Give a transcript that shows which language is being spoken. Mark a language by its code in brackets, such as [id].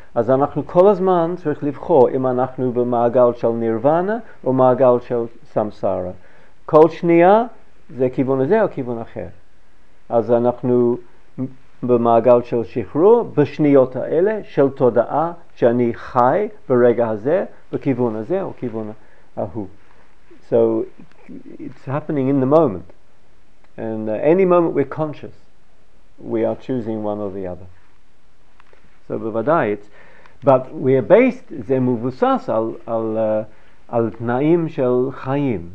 [he] אז אנחנו כל הזמן צריך לבחור אם אנחנו במעגל של נירוונה או מעגל של סמסרה. כל שנייה זה כיוון הזה או כיוון אחר. אז אנחנו במעגל של שחרור בשניות האלה של תודעה שאני חי ברגע הזה בכיוון הזה או כיוון ההוא. [en] So it's happening in the moment. And any moment we're conscious, we are choosing one or the other. [he] So bevadai, [en] but we are based, [he] זה מבוסס על תנאים של חיים.